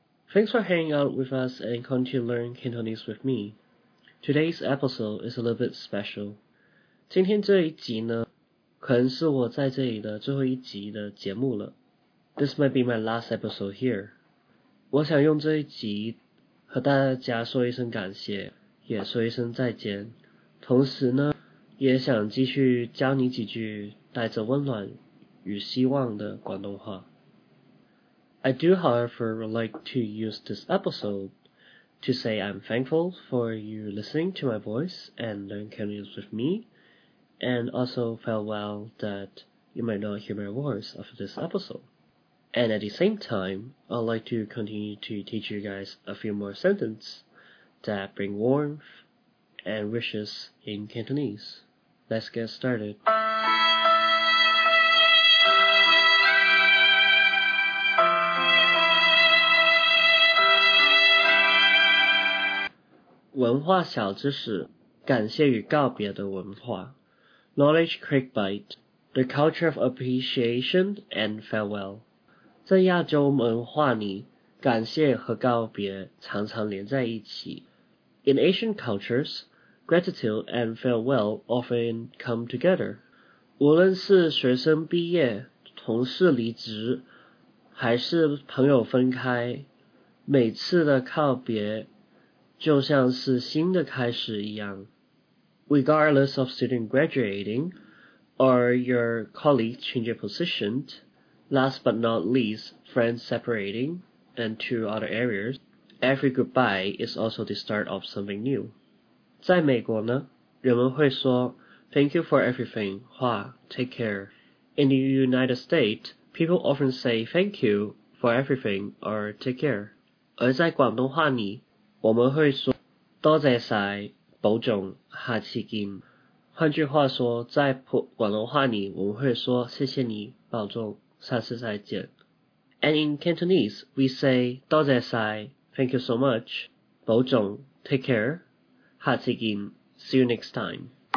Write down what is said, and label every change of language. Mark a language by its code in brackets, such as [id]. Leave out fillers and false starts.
[en] Thanks for hanging out with us and continue to learn Cantonese with me. Today's episode is a little bit special. [zh] 今天这一集呢，可能是我在这里的最后一集的节目了。 This might be my last episode here. 我想用这一集和大家说一声感谢，也说一声再见。同时呢，也想继续教你几句带着温暖与希望的广东话。 [en] I do, however, like to use this episode to say I'm thankful for you listening to my voice and learn Cantonese with me, and also felt well that you might not hear my voice after this episode. And at the same time, I'd like to continue to teach you guys a few more sentences that bring warmth and wishes in Cantonese. Let's get started. [zh] 文化小知识，感谢与告别的文化。 [en] Knowledge Quick Bite, The Culture of Appreciation and Farewell. [zh] 在亚洲文化里，感谢和告别常常连在一起。 [en] In Asian cultures, gratitude and farewell often come together. [zh] 无论是学生毕业、同事离职，还是朋友分开，每次的告别就像是新的开始一样。 [en] Regardless of student graduating or your colleague changing position, last but not least, friends separating and two other areas, every goodbye is also the start of something new. [zh] 在美国呢，人们会说 [en] Thank you for everything, [zh] 话 [en] take care. In the United States, people often say thank you for everything or take care. [zh] 而在广东话里，我们会说多谢晒保重下次见。换句话说，在广东话里，我们会说谢谢你保重下次再见。 [en] And in Cantonese, we say [zh] 多谢晒 [en] thank you so much, [zh] 保重 [en] take care, [zh] 下次见 [en] see you next time.